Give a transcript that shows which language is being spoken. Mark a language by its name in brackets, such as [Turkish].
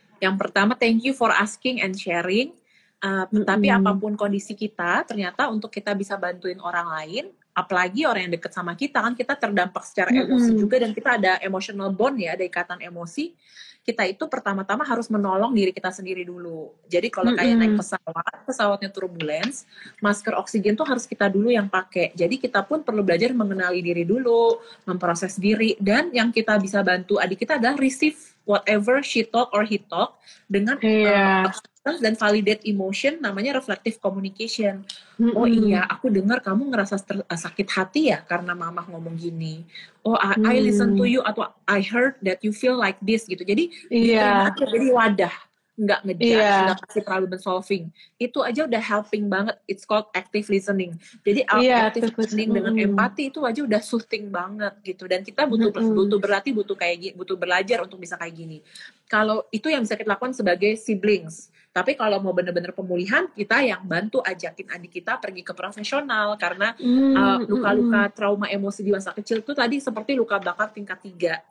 [Indonesian] Yang pertama, [English] thank you for asking and sharing. [Indonesian] Tapi apapun kondisi kita, ternyata untuk kita bisa bantuin orang lain, apalagi orang yang deket sama kita, kan kita terdampak secara emosi juga, dan kita ada emotional bond ya, ada ikatan emosi, kita itu pertama-tama harus menolong diri kita sendiri dulu. Jadi kalau kayak naik pesawat, pesawatnya turbulence, masker oksigen tuh harus kita dulu yang pakai. Jadi kita pun perlu belajar mengenali diri dulu, memproses diri, dan yang kita bisa bantu adik kita adalah [English] receive whatever she talk or he talk, [Indonesian] dengan dan [English] validate emotion, [Indonesian] namanya reflective communication. Oh iya, aku dengar kamu ngerasa sakit hati ya karena mamah ngomong gini. [English] I listen to you, atau I heard that you feel like this gitu. [Indonesian] Jadi jadi wadah, nggak ngejudge, nggak kasih problem solving. Itu aja udah helping banget. [English] It's called active listening. [Indonesian] Jadi active listening dengan empati itu aja udah soothing banget gitu. Dan kita butuh butuh belajar untuk bisa kayak gini. Kalau itu yang bisa kita lakukan sebagai siblings. Tapi kalau mau benar-benar pemulihan, kita yang bantu ajakin adik kita pergi ke profesional. Karena luka-luka trauma emosi di masa kecil itu tadi seperti luka bakar tingkat 3.